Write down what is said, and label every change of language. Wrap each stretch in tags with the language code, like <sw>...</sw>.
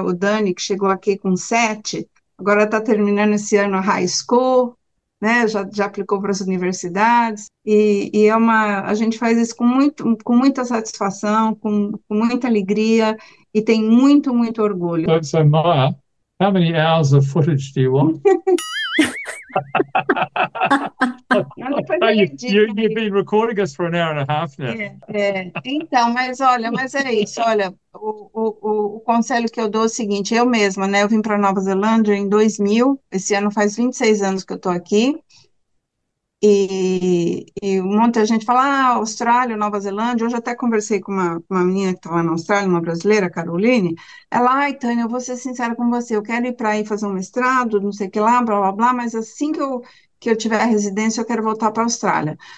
<pt>O Dani, que chegou aqui com 7. Agora está terminando esse ano a high school, né? Já aplicou para as universidades, e a gente faz isso com muita satisfação, com muita alegria, e tem muito, muito orgulho.</pt> <en>So, Maya, how many hours of footage do you want? You've been recording us for an hour and a half now.</en> <pt>Então, mas olha, mas é isso, olha, o conselho que eu dou é o seguinte, eu mesma, né, eu vim para Nova Zelândia em 2000, esse ano faz 26 anos que eu estou aqui, e um monte de gente fala, ah, Austrália, Nova Zelândia, hoje até conversei com uma menina que estava na Austrália, uma brasileira, Caroline, ela, ai, Tânia, eu vou ser sincera com você, eu quero ir para aí fazer um mestrado, não sei o que lá, blá, blá, blá, mas assim que eu tiver a residência, eu quero voltar para a Austrália.</pt>